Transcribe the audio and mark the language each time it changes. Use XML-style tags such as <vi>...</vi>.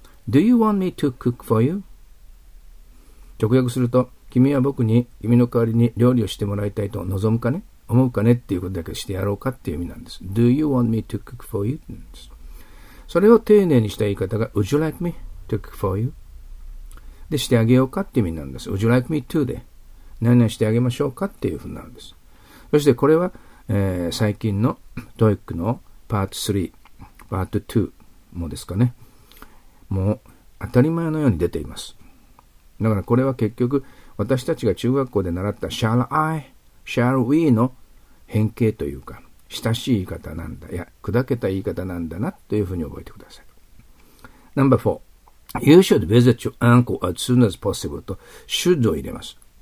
<en>Do you want me to cook for you?</en> <ja>直訳すると、君は僕に君の代わりに料理をしてもらいたいと望むかね、思うかねっていうことだけしてやろうかっていう意味なんです。</ja> <en>Do you want me to cook for you?</en> <ja>なんです。それを丁寧にした言い方が</ja> <en>Would you like me to cook for you?</en> <ja>でしてあげようかっていう意味なんです。</ja> <en>Would you like me to?</en> <ja>で何々してあげましょうかっていうふうなんです。そしてこれは、最近のトイックのパート3、パート2もですかね。もう当たり前のように出ています。だからこれは結局私たちが中学校で習った</ja> <en>Shall I? Shall we?</en> <ja>の変形というか親しい言い方なんだ、いや砕けた言い方なんだなというふうに覚えてください。</ja> <en>No.4 You should visit your uncle as soon as possible</en> <ja>と should を入れます。</ja>